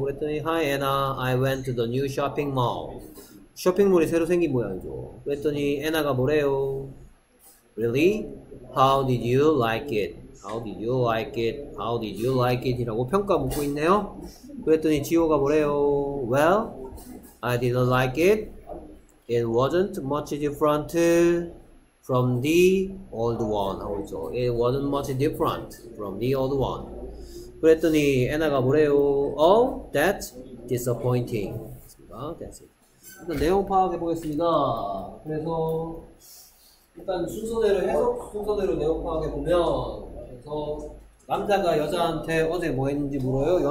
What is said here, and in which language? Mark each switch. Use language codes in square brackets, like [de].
[ko] 그랬더니 [en] Hi 애나, I went to the new shopping mall. [ko] 쇼핑몰이 새로 생긴 모양이죠. 그랬더니 애나가 뭐래요? [en] Really? How did you like it? How did you like it? How did you like it? [ko] 이라고 평가 묻고 있네요. 그랬더니 지호가 뭐래요? [en] Well, I didn't like it. It wasn't much different from the old one. [ko] 그렇죠? [en] It wasn't much different from the old one. [ko] 그랬더니 애나가 뭐래요? [en] Oh, that's disappointing. That's it. [ko] 일단 내용 파악해 보겠습니다. 그래서 일단 순서대로 해석 순서대로 내용 파악해 보면 그래서 남자가 여자한테 어제 뭐 했는지 물어요.